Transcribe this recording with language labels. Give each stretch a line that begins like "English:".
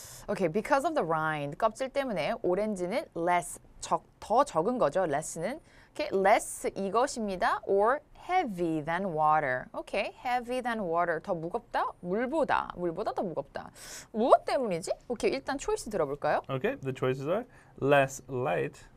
English: Okay, because of the rind,
Korean: 껍질 때문에 오렌지는 less, 더 적은 거죠, less는.
English: Okay, less
Korean: 이것입니다,
English: or heavy than water. Okay, heavy than water,
Korean: 더 무겁다, 물보다 더 무겁다. 무엇 때문이지? Okay, 일단 choice 들어볼까요?
English: Okay, the choices are less light.